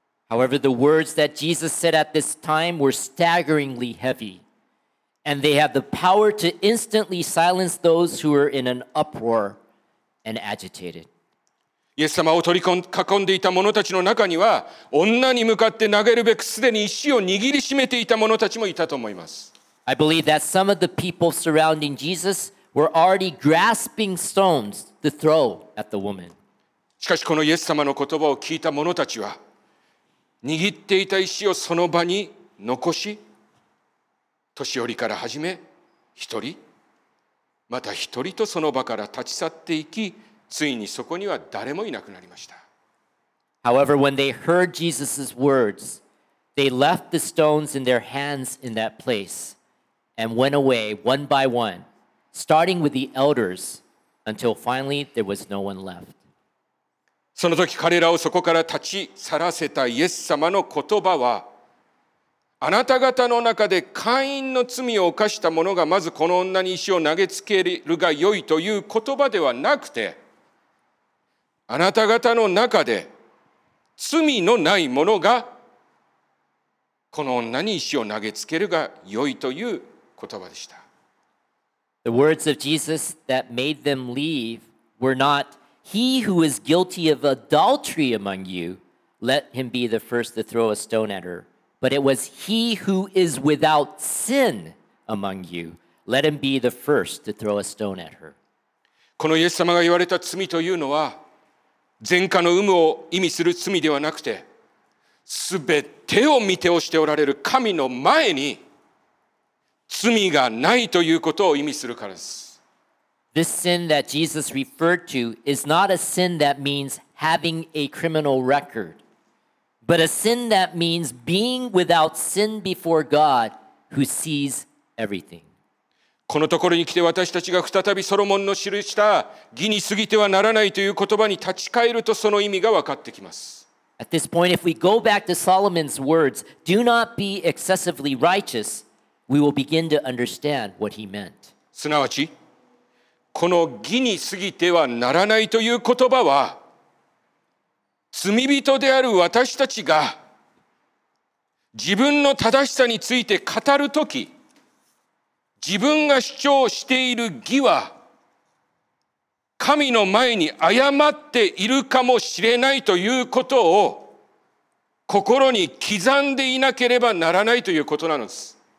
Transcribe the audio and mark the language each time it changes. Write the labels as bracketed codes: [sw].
[en] However, the words that Jesus said at this time were staggeringly heavy, and they have the power to instantly silence those who are in an uproar and agitated. [ja] イエス様を取り囲んでいた者たちの中には、女に向かって投げるべくすでに石を握りしめていた者たちもいたと思います。 [en] I believe that some of the people surrounding Jesus were already grasping stones to throw at the woman. [ja] しかしこのイエス様の言葉を聞いた者たちは、握っていた石をその場に残し、年寄りから始め、一人、また一人とその場から立ち去っていき、ついにそこには誰もいなくなりました。 [en] However, when they heard Jesus' words, they left the stones in their hands in that place and went away one by one, starting with the elders, until finally there was no one left. [ja] その時彼らをそこから立ち去らせたイエス様の言葉は、あなた方の中でカインの罪を犯した者がまずこの女に石を投げつけるがよいという言葉ではなくて、あなた方の中で罪のない者がこの女に石を投げつけるが良いという言葉でした。 [en] The words of Jesus that made them leave were not, He who is guilty of adultery among you, let him be the first to throw a stone at her. But it was, He who is without sin among you, let him be the first to throw a stone at her. [ja] このイエス様が言われた罪というのは、前科の有無を意味する罪ではなくて、すべてを見ておしておられる神の前に罪がないということを意味するからです。 [en] This sin that Jesus referred to is not a sin that means having a criminal record, but a sin that means being without sin before God who sees everything. [ja] このところに来て私たちが再びソロモンの記した義に過ぎてはならないという言葉に立ち返るとその意味が分かってきます。 [en] At this point, if we go back to Solomon's words, do not be excessively righteous, we will begin to understand what he meant. [ja] すなわち、この義に過ぎてはならないという言葉は、罪人である私たちが自分の正しさについて語るとき、自分が主張している義は神の前に誤っているかもしれないということを心に刻んでいなければならないということなのです。